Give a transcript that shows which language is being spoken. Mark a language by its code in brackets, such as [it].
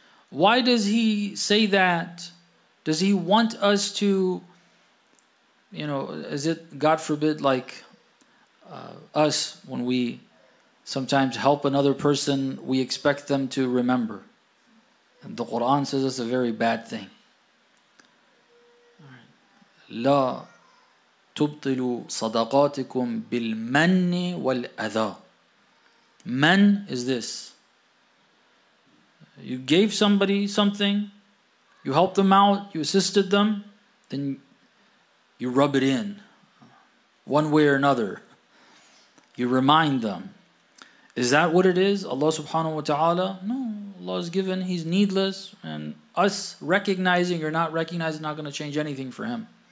[en] Why does he say that? Does he want us to, you know, is it, God forbid, like us, when we sometimes help another person, we expect them to remember? And the Quran says it's a very bad thing. [ar] لا تبطلوا صدقاتكم بالمن والأذى. [en] Man is this. You gave somebody something, you helped them out, you assisted them, then you rub it in one way or another. You remind them. Is that what it is? Allah subhanahu wa ta'ala? No, Allah is given, he's needless, and us recognizing or not recognizing is not going to change anything for him.